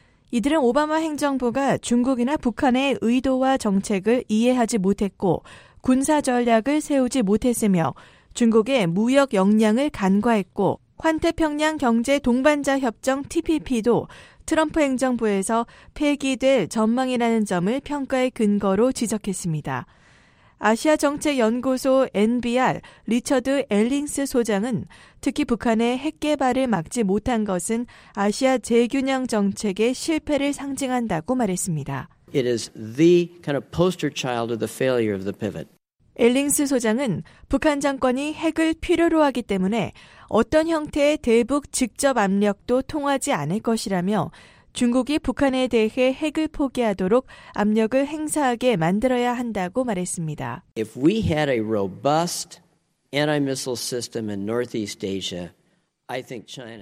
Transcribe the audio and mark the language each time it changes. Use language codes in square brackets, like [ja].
[ko] 이들은 오바마 행정부가 중국이나 북한의 의도와 정책을 이해하지 못했고 군사 전략을 세우지 못했으며 중국의 무역 역량을 간과했고 환태평양 경제 동반자 협정 TPP도 트럼프 행정부에서 폐기될 전망이라는 점을 평가의 근거로 지적했습니다. 아시아정책연구소 NBR 리처드 엘링스 소장은 특히 북한의 핵개발을 막지 못한 것은 아시아 재균형 정책의 실패를 상징한다고 말했습니다. [en] It is the kind of poster child of the failure of the pivot. [ko] 엘링스 소장은 북한 정권이 핵을 필요로 하기 때문에 어떤 형태의 대북 직접 압력도 통하지 않을 것이라며 중국이 북한에 대해 핵을 포기하도록 압력을 행사하게 만들어야 한다고 말했습니다. [en] If we had a robust anti-missile system in Northeast Asia, I think China.